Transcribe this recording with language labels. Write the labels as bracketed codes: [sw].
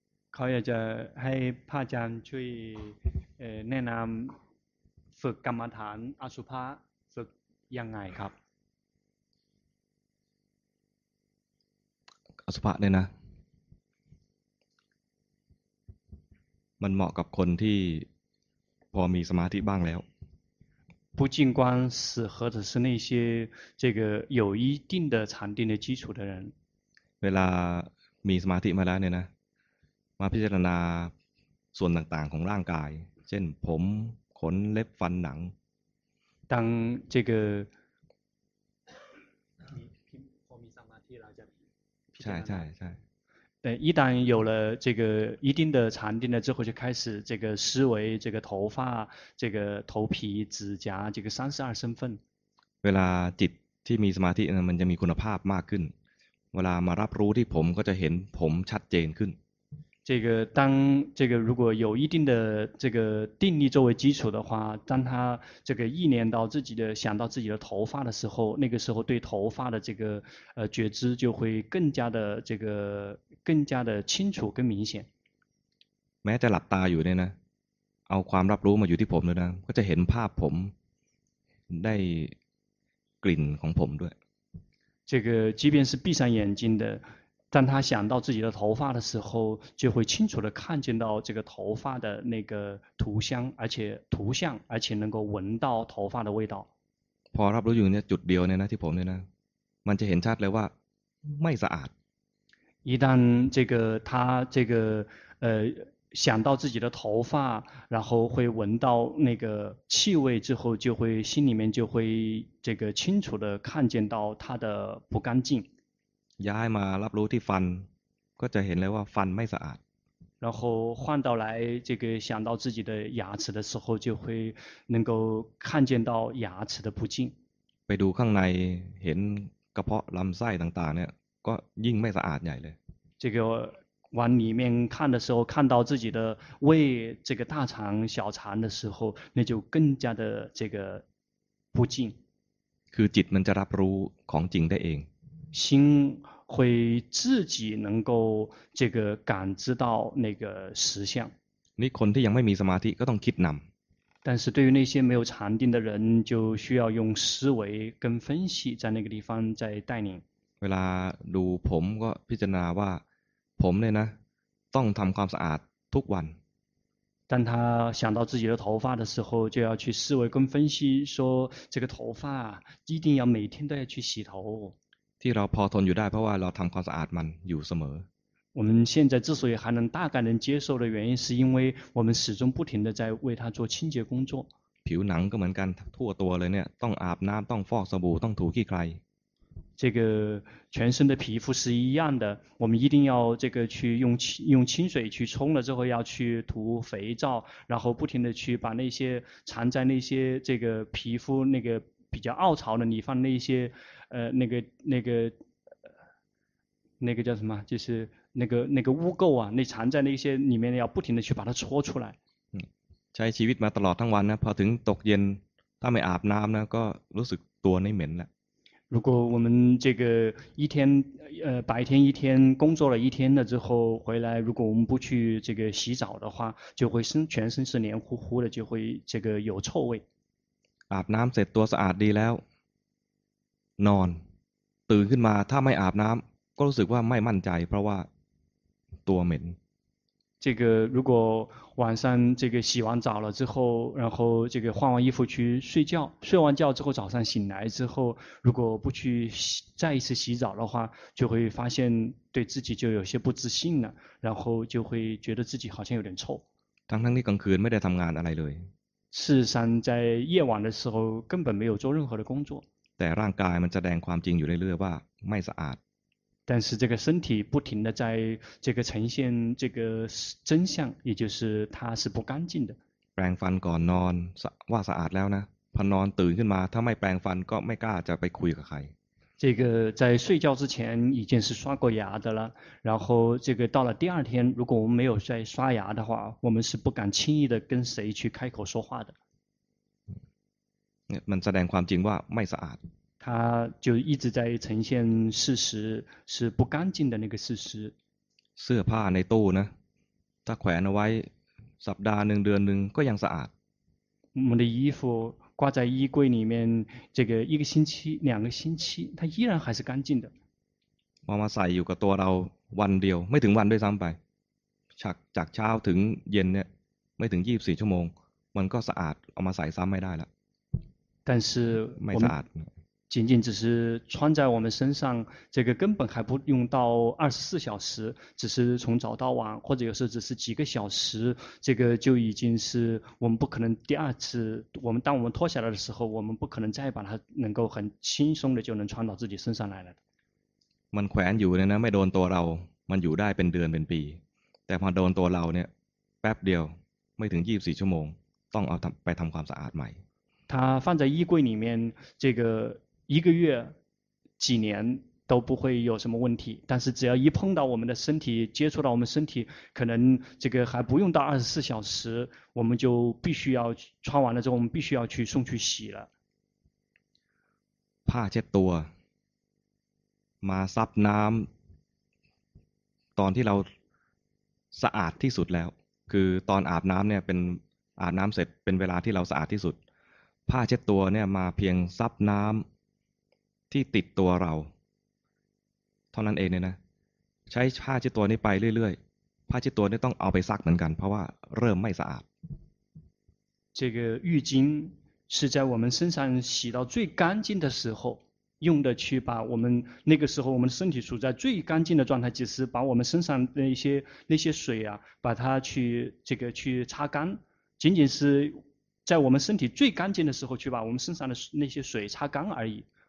[th] เขาอยากจะให้พระอาจารย์ช่วยแนะนำฝึกกรรมฐานอสุภะฝึกยังไงครับ อสุภะเนี่ยนะมันเหมาะกับคนที่พอมีสมาธิบ้างแล้ว [zh] 不净观适合的是那些这个有一定的禅定的基础的人 [th] เวลามีสมาธิมาแล้วเนี่ยนะมาพิจารณาส่วนต่างๆของร่างกายเช่นผมขนเล็บฟันหนัง [zh] 当这个 [th] ใช่ [zh] 一旦有了这个一定的禅定了之后就开始这个思维这个头发这个头皮指甲这个三十二身份 [th] เวลาจิตที่มีสมาธิมันจะมีคุณภาพมากขึ้นเวลามารับรู้ที่ผมก็จะเห็นผมชัดเจนขึ้น [zh] 这个当这个如果有一定的这个定力作为基础的话当他这个意念到自己的想到自己的头发的时候那个时候对头发的这个觉知就会更加的这个更加的清楚更明显 [th] แม้จะหลับตาอยู่เนี่ยนะเอาความรับรู้มาอยู่ที่ผมเลยนะก็จะเห็นภาพผมได้กลิ่นของผมด้วย [zh] 这个即便是闭上眼睛的当他想到自己的头发的时候，就会清楚地看见到这个头发的那个图像，而且图像，而且能够闻到头发的味道。 [th] พอรับรู้อยู่เนี่ยจุดเดียวเนี่ยนะที่ผมเนี่ยนะมันจะเห็นชัดเลยว่าไม่สะอาด。 [zh] 一旦这个他这个想到自己的头发，然后会闻到那个气味之后，就会心里面就会这个清楚地看见到他的不干净。 [th] ย้ายมารับรู้ที่ฟันก็จะเห็นเลยว่าฟันไม่สะอาด [zh] 然后换到来这个想到自己的牙齿的时候就会能够看见到牙齿的不净 [th] ไปดูข้างในเห็นกระเพาะลำไส้ต่างๆเนี่ยก็ยิ่งไม่สะอาดใหญ่เลย [zh] 这个往里面看的时候看到自己的胃这个大肠小肠的时候那就更加的这个不净 [th] คือจิตมันจะรับรู้ของจริงได้เอง [zh] 心会自己能够这个感知到那个实相 [th] นี่คนที่ยังไม่มีสมาธิก็ต้องคิดนำ [zh] 但是对于那些没有禅定的人就需要用思维跟分析在那个地方在带领 [th] เวลาดูผมก็พิจารณาว่าผมเนี่ยนะต้องทำความสะอาดทุกวัน [zh] 当他想到自己的头发的时候就要去思维跟分析说这个头发一定要每天都要去洗头 [th] ที่เราพอทนอยู่ได้เพราะว่าเราทำความสะอาดมันอยู่เสมอ [zh] 我们现在之所以还能大概能接受的原因是因为我们始终不停的在为它做清洁工作 [th] ผิวหนังก็เหมือนกันทั่วตัวเลยเนี่ยต้องอาบน้ำต้องฟอกสบู่ต้องถูขี้ใคร [zh] 这个全身的皮肤是一样的我们一定要这个去用清水去冲了之后要去涂肥皂然后不停的去把那些藏在那些这个皮肤那个比较凹槽的地方那些那个叫什么就是那个污垢啊那藏在那些里面要不停的去把它搓出来 [th] ใช้ชีวิตมาตลอดทั้งวันนะพอถึงตกเย็นถ้าไม่อาบน้ำนะก็รู้สึกตัวไม่เหม็นละ [zh] 如果我们这个一天白天一天工作了一天了之后回来如果我们不去这个洗澡的话就会全身是黏糊糊的就会这个有臭味 [th] อาบน้ำเสร็จตัวสะอาดดีแล้วนอนตื่นขึ้นมาถ้าไม่อาบน้ำก็รู้สึกว่าไม่มั่นใจเพราะว่าตัวเหม็น [zh] 这个如果晚上这个洗完澡了之后然后这个换完衣服去睡觉睡完觉之后早上醒来之后如果不去再一次洗澡的话就会发现对自己就有些不自信了然后就会觉得自己好像有点臭 [th] ทั้งที่กลางคืนไม่ได้ทำงานอะไรเลย [zh] 事实上在夜晚的时候根本没有做任何的工作 [th] แต่ร่างกายมันแสดงความจริงอยู่เรื่อยๆว่าไม่สะอาด [zh] 但是这个身体不停的在这个呈现这个真相也就是它是不干净的 [th] แปรงฟันก่อนนอนว่าสะอาดแล้วนะพอนอนตื่นขึ้นมาถ้าไม่แปรงฟันก็ไม่กล้าจะไปคุยกับใคร [zh] 这个在睡觉之前已经是刷过牙的了然后这个到了第二天如果我们没有再刷牙的话我们是不敢轻易的跟谁去开口说话的 [th] มันแสดงความจริงว่าไม่สะอาด เขา [zh] 就一直在呈现事实是不干净的那个事实 [th] เสื้อผ้าในตู้นะถ้าแขวนเอาไว้สัปดาห์หนึ่งเดือนหนึ่งก็ยังสะอาด [zh] 我们的衣服挂在衣柜里面这个一个星期两个星期它依然还是干净的 [th] มามาใส่อยู่กับตัวเราวันเดียวไม่ถึงวันด้วยซ้ำไปจากเช้าถึงเย็นเนี่ยไม่ถึง24ชั่วโมงมันก็สะอาดเอามาใส่ซ้ำไม่ได้ละ [zh] 但是 [th] ไม่สะอาด [zh] 仅仅只是穿在我们身上这个根本还不用到24小时只是从早到晚或者有时候只是几个小时这个就已经是我们不可能第二次我们当我们脱下来的时候我们不可能再把它能够很轻松的就能穿到自己身上来了 [th] มันแขวนอยู่เนี่ยนะไม่โดนตัวเรามันอยู่ได้เป็นเดือนเป็นปีแต่พอโดนตัวเราเนี่ยแป๊บเดียวไม่ถึง24ชั่วโมงต้องเอาไปทำความสะอาดใหม่ [zh] 它放在衣柜里面这个一个月几年都不会有什么问题但是只要一碰到我们的身体接触到我们身体可能这个还不用到24小时我们就必须要穿完了之后我们必须要去送去洗了怕这多 [th] มาซับน้ำตอนที่เราสะอาดที่สุดแล้วคือตอนอาบน้ำเนี่ยเป็นอาบน้ำเสร็จเป็นเวลาที่เราสะอาดที่สุด怕这多เนี่ยมาเพียงซับน้ำที่ติดตัวเราเท่านั้นเองเนี่ยนะ ใช้ผ้าเช็ดตัวนี้ไปเรื่อยๆผ้าเช็ดตัวนี้ต้องเอาไปซักเหมือนกันเพราะว่าเริ่มไม่สะอาด [zh] 这个浴巾是在我们身上洗到最干净的时候用的去把我们那个时候我们身体处在最干净的状态，就是把我们身上的那些水啊，把它去这个去擦干。仅仅是在我们身体最干净的时候去把我们身上的那些水擦干而已。